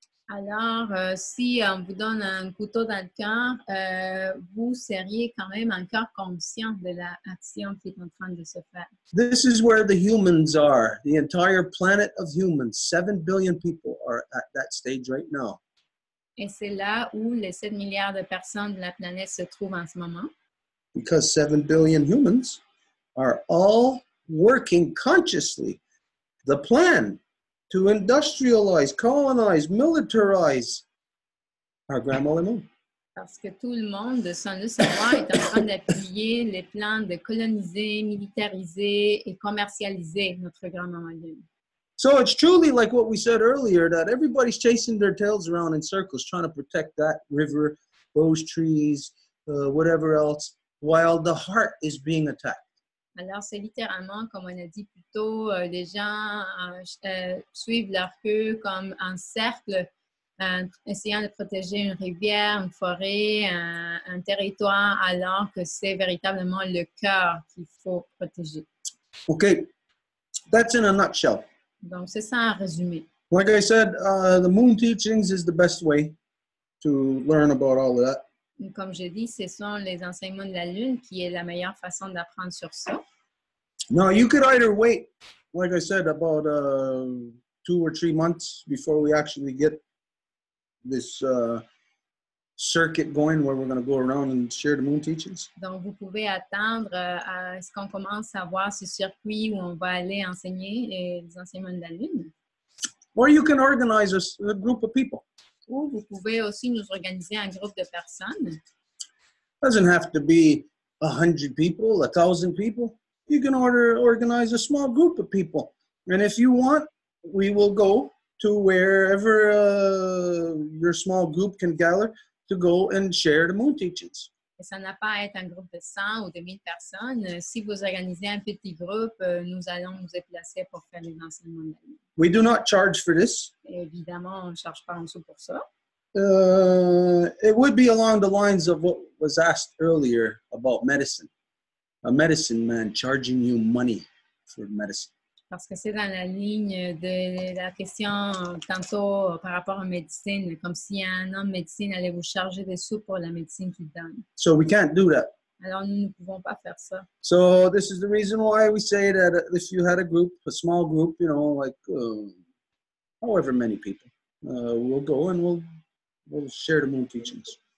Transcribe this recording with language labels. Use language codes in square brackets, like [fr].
[fr] Alors, si on vous donne un couteau dans le cœur, vous seriez quand même encore conscient de l'action qui est en train de se faire. [en] This is where the humans are. The entire planet of humans, 7 billion people are at that stage right now. [fr] Et c'est là où les 7 milliards de personnes de la planète se trouvent en ce moment. [en] Because 7 billion humans are all working consciously. The plan to industrialize, colonize, militarize our grandma Lemon. [fr] Parce que tout le monde, sans le savoir, est en train d'appuyer les plans de coloniser, militariser et commercialiser notre grand-maman Lemon. [en] So it's truly like what we said earlier, that everybody's chasing their tails around in circles, trying to protect that river, those trees, whatever else, while the heart is being attacked. [fr] Alors, c'est littéralement, comme on a dit plus tôt, les gens suivent leur queue comme en cercle, essayant de protéger une rivière, une forêt, un territoire, alors que c'est véritablement le cœur qu'il faut protéger. [en] OK. That's in a nutshell. [fr] Donc, c'est ça en résumé. [en] Like I said, the moon teachings is the best way to learn about all of that. [fr] Comme je dis, ce sont les enseignements de la Lune qui est la meilleure façon d'apprendre sur ça. [en] Now, you could either wait, like I said, about 2 or 3 months before we actually get this circuit going where we're going to go around and share the moon teachings. [fr] Donc, vous pouvez attendre à ce qu'on commence à voir ce circuit où on va aller enseigner les enseignements de la Lune. [en] Or you can organize a group of people. [fr] Ou vous pouvez aussi nous organiser un groupe de personnes. [en] It doesn't have to be 100 people, 1,000 people. You can organize a small group of people. And if you want, we will go to wherever your small group can gather to go and share the moon teachings. [fr] Et ça n'a pas à être un groupe de 100 ou de 1,000 personnes. Si vous organisez un petit groupe, nous allons nous déplacer pour faire les enseignements de la nuit. [en] We do not charge for this. [fr] Évidemment, on ne charge pas en dessous pour ça. [en] It would be along the lines of what was asked earlier about medicine. A medicine man charging you money for medicine. [fr] Parce que c'est dans la ligne de la question tantôt par rapport à médecine, comme si un homme médecine allait vous charger des sous pour la médecine qu'il donne. [en] So we can't do that. [fr] Alors nous ne pouvons pas faire ça. [en] So this is the reason why we say that if you had a group, a small group, you know, like however many people, we'll go and we'll share the moon teachings.